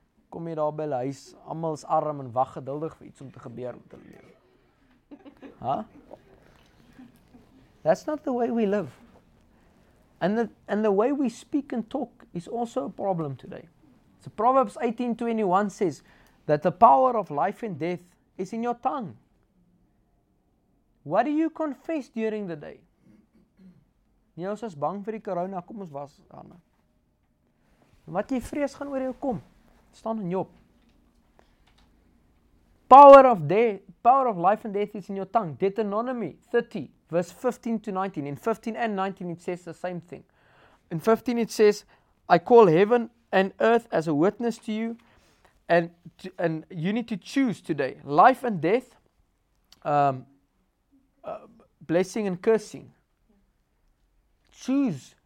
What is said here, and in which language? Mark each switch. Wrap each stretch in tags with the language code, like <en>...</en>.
<af>Kom jy daar by die huis, almal is arm en wag geduldig vir iets om te gebeur met hulle lewe. Ha?</af> <en>That's not the way we live. And the way we speak and talk is also a problem today. So Proverbs 18:21 says that the power of life and death is in your tongue. What do you confess during the day?</en> <af>Nie, ons is bang vir die corona, kom ons was, Anna. Wat jy vrees gaan oor jou kom, staan in jou op.</af> <en>Power of life and death is in your tongue. Deuteronomy 30, verse 15 to 19. In 15 and 19, it says the same thing. In 15, it says, I call heaven and earth as a witness to you. And you need to choose today. Life and death, blessing and cursing. Choose.</en>